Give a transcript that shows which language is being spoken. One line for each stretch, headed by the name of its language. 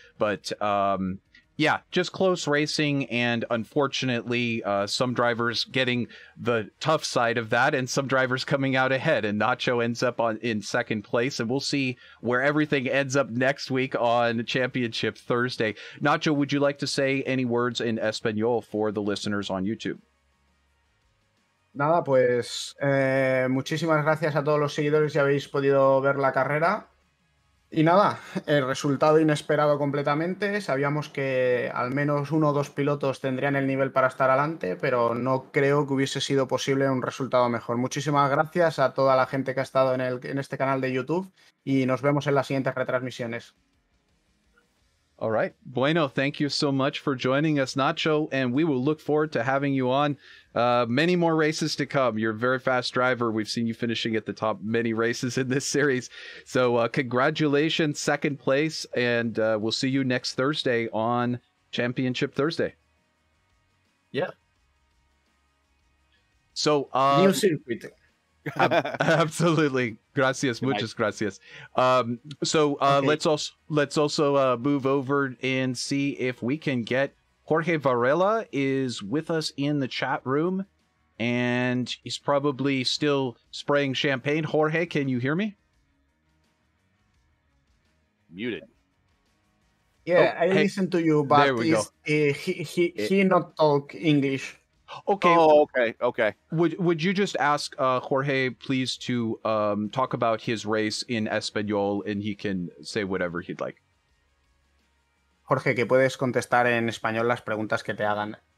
English: But just close racing, and unfortunately, some drivers getting the tough side of that, and some drivers coming out ahead, and Nacho ends up in second place, and we'll see where everything ends up next week on Championship Thursday. Nacho, would you like to say any words in Espanol for the listeners on YouTube?
Spanish: Nada, pues muchísimas gracias a todos los seguidores que habéis podido ver la carrera. Y nada, el resultado inesperado completamente. Sabíamos que al menos uno o dos pilotos tendrían el nivel para estar adelante, pero no creo que hubiese sido posible un resultado mejor. Muchísimas gracias a toda la gente que ha estado en este canal de YouTube y nos vemos en las siguientes retransmisiones.
English: All right. Bueno, thank you so much for joining us, Nacho, and we will look forward to having you on many more races to come. You're a very fast driver. We've seen you finishing at the top many races in this series. So congratulations, second place, and we'll see you next Thursday on Championship Thursday. Yeah. So new circuit. Absolutely.
Spanish: Gracias. Muchas gracias.
English: Let's also move over and see if we can get Jorge Varela is with us in the chat room and he's probably still spraying champagne. Jorge, can you hear me? Muted. Yeah, oh, I listen to you, but he not talk English. Okay. Oh, okay. Okay. Would you just ask Jorge, please, to talk about his race in Espanol, and he can say whatever he'd like.
Spanish: Jorge, que puedes contestar en español las preguntas que te hagan.